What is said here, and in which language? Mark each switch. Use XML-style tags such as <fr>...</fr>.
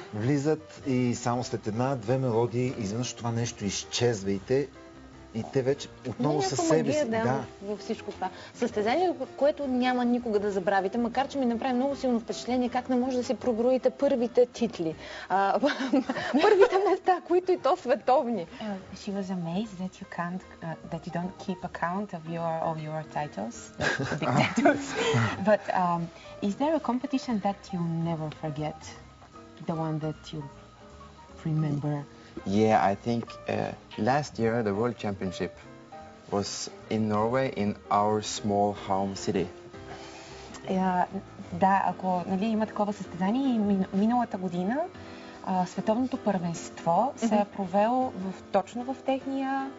<bg>Влизат и само след една-две мелодии, изведнъж това нещо изчезва и те, и те вече отново са себе си. Да. Във всичко това. Състезание, което няма никога да забравите, макар че ми направи много силно впечатление, как не може да си проброите първите титли. първите места, които и то световни.</bg> <en>She was amazed that you can't, that you don't keep account of your, of your titles, big titles. But is there a competition that you never forget? The one that you remember? Yeah, I think last year the World Championship was in Norway, in our small home city.</en> <bg>Да, ако нали, има такова състезание, миналата година световното първенство се е провело в, точно в техния</bg>